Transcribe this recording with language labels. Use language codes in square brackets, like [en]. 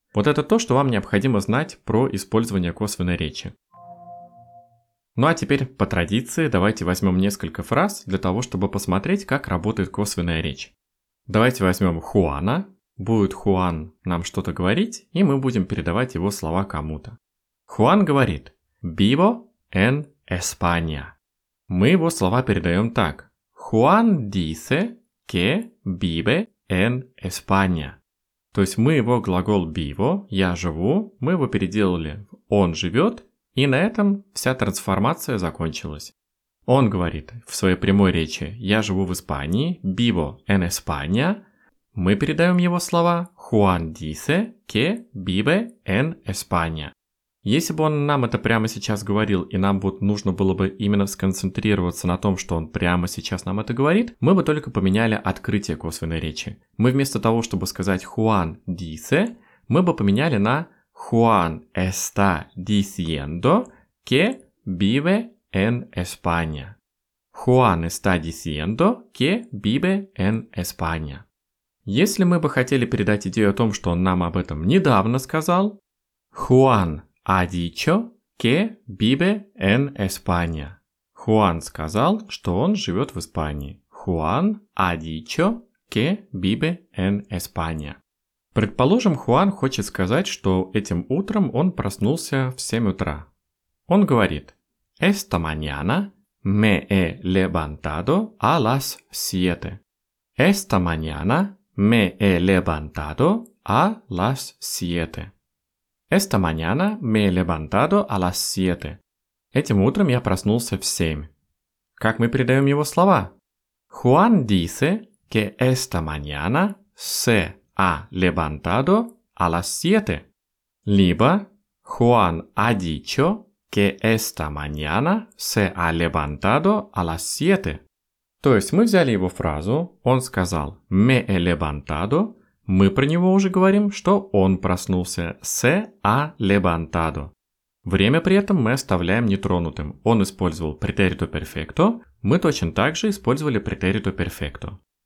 [ru] Вот это то, что вам необходимо знать про использование косвенной речи. Ну а теперь, по традиции, давайте возьмем несколько фраз для того, чтобы посмотреть, как работает косвенная речь. Давайте возьмем Хуана. Будет Хуан нам что-то говорить, и мы будем передавать его слова кому-то. Хуан говорит [es] «Vivo en España». [ru] Мы его слова передаем так. [es] Хуан dice que vive en España. [ru] То есть мы его глагол «vivo», «я живу», мы его переделали в «он живет», и на этом вся трансформация закончилась. Он говорит в своей прямой речи «Я живу в Испании», [es] «Vivo en España». [ru] Мы передаем его слова [es] «Juan dice que vive en España». [ru] Если бы он нам это прямо сейчас говорил, и нам вот нужно было бы именно сконцентрироваться на том, что он прямо сейчас нам это говорит, мы бы только поменяли открытие косвенной речи. Мы вместо того, чтобы сказать [es] «Juan dice», [ru] мы бы поменяли на [es] Juan está diciendo que vive en España. Juan está diciendo que vive en España. [ru] Если мы бы хотели передать идею о том, что он нам об этом недавно сказал, [es] Juan ha dicho que vive en España. [ru] Juan сказал, что он живет в Испании. [es] Juan ha dicho que vive en España. [ru] Предположим, Хуан хочет сказать, что этим утром он проснулся в 7 утра. Он говорит [es] «Esta mañana me he levantado a las 7». «Esta mañana me he levantado a las 7». «Esta mañana me he levantado a las 7». [ru] «Этим утром я проснулся в 7». Как мы передаем его слова? [es] Хуан dice que esta mañana se ha levantado a las 7. [ru] Либо [es] Juan ha dicho que esta mañana se ha levantado a las 7. [ru] То есть мы взяли его фразу, он сказал [es] me he levantado, [ru] мы про него уже говорим, что он проснулся [es] se ha levantado. [ru] Время при этом мы оставляем нетронутым. Он использовал pretérito perfecto, мы точно так же использовали pretérito perfecto.